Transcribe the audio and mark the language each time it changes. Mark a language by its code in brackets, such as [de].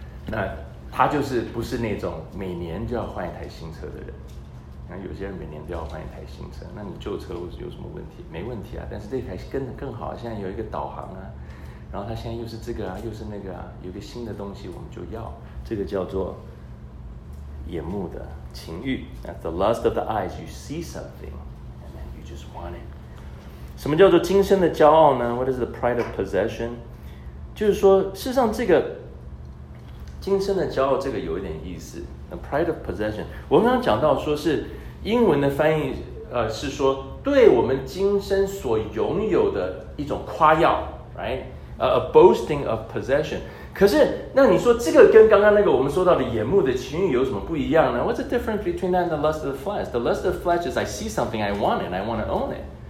[zh] 那他就是不是那种每年就要换一台新车的人？那有些人每年都要换一台新车，那你旧车有什么问题？没问题啊，但是这台更好，现在有一个导航啊，然后他现在又是这个啊，又是那个啊，有个新的东西我们就要。这个叫做眼目的情欲 ， [en] That's the lust of the eyes. You see something, and then you just want it. [zh] 什么叫做今生的骄傲呢 ？ [en] What is the pride of possession？ [zh] 就是说，事实上，这个今生的骄傲，这个有一点意思。 [en] The pride of possession， [zh] 我刚刚讲到说是英文的翻译，是说对我们今生所拥有的一种夸耀 ，right？ [en] A boasting of possession。 [zh] 可是那你说这个跟刚刚那个我们说到的眼目的情欲有什么不一样呢？ [en] What's the difference between that and the lust of the flesh? The lust of the flesh is I see something, I want it, I want to own it.